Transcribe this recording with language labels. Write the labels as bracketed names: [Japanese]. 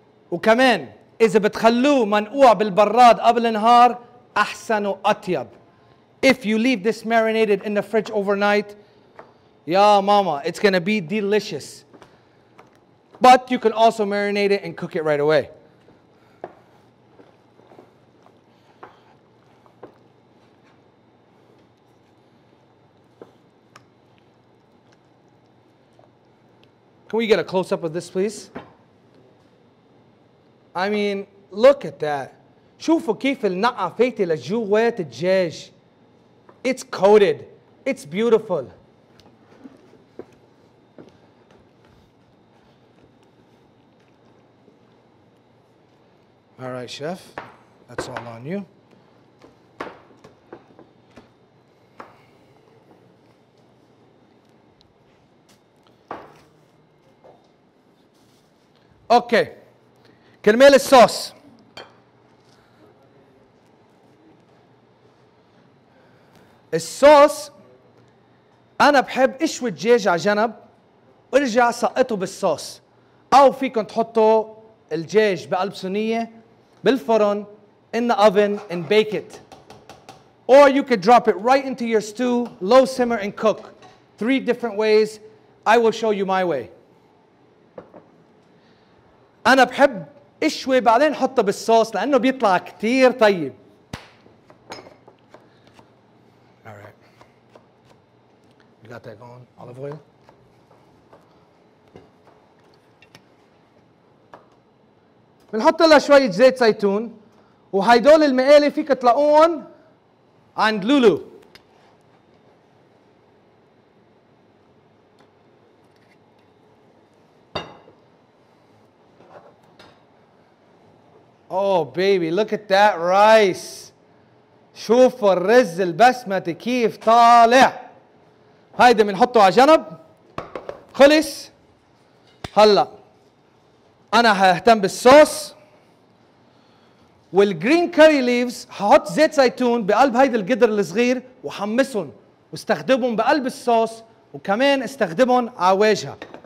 [Arabic] وكمان إذا بتخلوه منقوع بالبراد قبل النهار أحسن وأطيب. [English] If you leave this marinated in the fridge overnight, [Arabic] يا ماما, [English] it's gonna be delicious. But you can also marinate it and cook it right away. Can we get a close-up of this, please? I mean, look at that. [Arabic] شوفوا كيف النقعة فاتت لجوات الدجاج. [English] It's coated. It's beautiful. All right, chef. That's all on you. Okay. [Arabic] كرمال الصوص. الصوص أنا بحب أشوي الدجاج على جنب وارجع سقطه بالصوص، أو فيكم تحطوا الدجاج بقلب صينية بالفرن [English] in the oven and bake it. Or you could drop it right into your stew, low simmer and cook. Three different ways. I will show you my way. [Arabic] أنا بحب أشوي بعدين أحطه بالصوص لأنه بيطلع كتير طيب. [English] Got that going. Olive oil. [Arabic] بنحط لها شوية زيت زيتون وهيدول المقالي فيك تلاقون عند لولو. [English] Oh baby, look at that rice. [Arabic] شوف الرز البسمتي كيف طالع. هيدا بنحطه على جنب. خلص. هلا انا ههتم بالصوص والجرين كاري ليفز. هحط زيت زيتون بقلب هيدا القدر الصغير وحمصهم واستخدمهم بقلب الصوص وكمان استخدمهم على واجهه.